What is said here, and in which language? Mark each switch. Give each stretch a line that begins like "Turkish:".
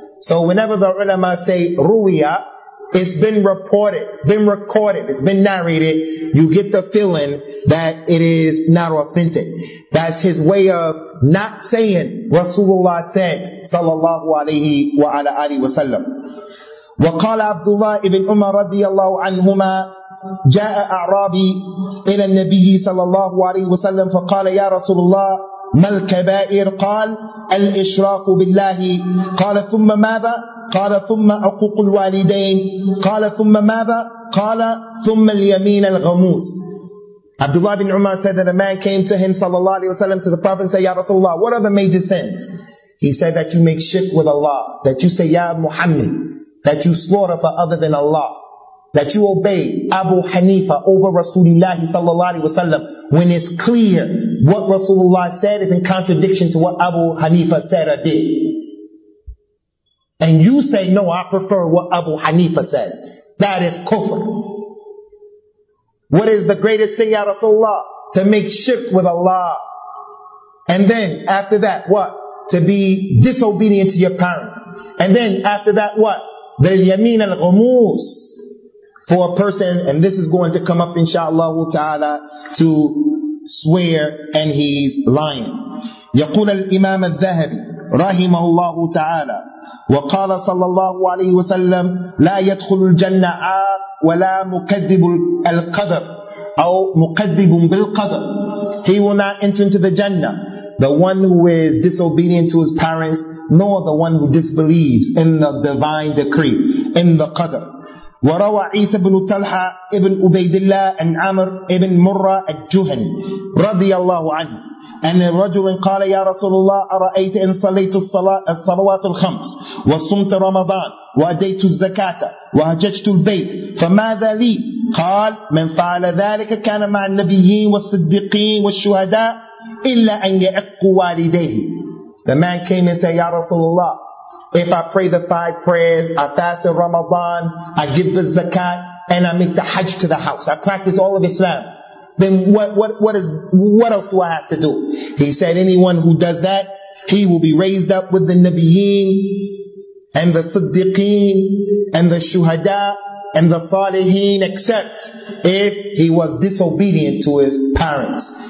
English: So whenever the ulama say Ruwiya, it's been reported, it's been recorded, it's been narrated, you get the feeling that it is not authentic. That's his way of not saying Rasulullah said, sallallahu alayhi wa ala alihi wa sallam.
Arabic: وقال عبد الله بن عمر رضي الله عنهما جاء أعرابي إلى النبي صلى الله عليه وسلم فقال يا رسول الله ما الكبائر قال الإشراك بالله قال ثم ماذا قال ثم عقوق الوالدين قال ثم ماذا قال ثم اليمين الغموس.
English: عبد الله بن عمر said that a man came to him
Arabic: صلى الله عليه وسلم
English: to the prophet and said
Arabic: يا رسول الله
English: what are the major sins. He said that you make shirk with Allah, that you say
Arabic: يا محمد,
English: that you slaughter for other than Allah, that you obey Abu Hanifa over Rasulullah sallallahu alaihi wasallam, when it's clear what Rasulullah said is in contradiction to what Abu Hanifa said or did. And you say, no, I prefer what Abu Hanifa says. That is kufr. What is the greatest thing, ya Rasulullah? To make shirk with Allah. And then after that, what? To be disobedient to your parents. And then after that, what? The yameen al-ghumus for a person, and this is going to come up insha'Allah ta'ala, to swear and he's lying.
Arabic: يقول الإمام الذهبي رحمه الله تعالى وقال صلى الله عليه وسلم لا يدخل الجنة عاق ولا مكذب القدر أو مكذب بالقدر.
English: He will not enter into the Jannah, the one who is disobedient to his parents, nor the one who disbelieves in the divine decree, in the qadr.
Arabic: وَرَوَى عِيسَى بْنُ تَلْحَى إِبْنُ عُبَيْدِ اللَّهِ أَنْ عَمْرُ إِبْنْ مُرَّى الْجُهَنِ رضي الله عنه أن الرجل قال يا رسول الله أرأيت إن صليت الصلوات الخمس وصمت رمضان وأديت الزكاة وهججت البيت فماذا لي؟ قال من فعل ذلك كان مع النبيين والصديقين والشهداء إلا أن يعقوا والديه.
English: The man came and said, Ya Rasulullah, if I pray the five prayers, I fast in Ramadan, I give the zakat, and I make the hajj to the house, I practice all of Islam, then what else do I have to do? He said, anyone who does that, he will be raised up with the Nabiyeen, and the Siddiqeen, and the Shuhada, and the Salihin, except if he was disobedient to his parents.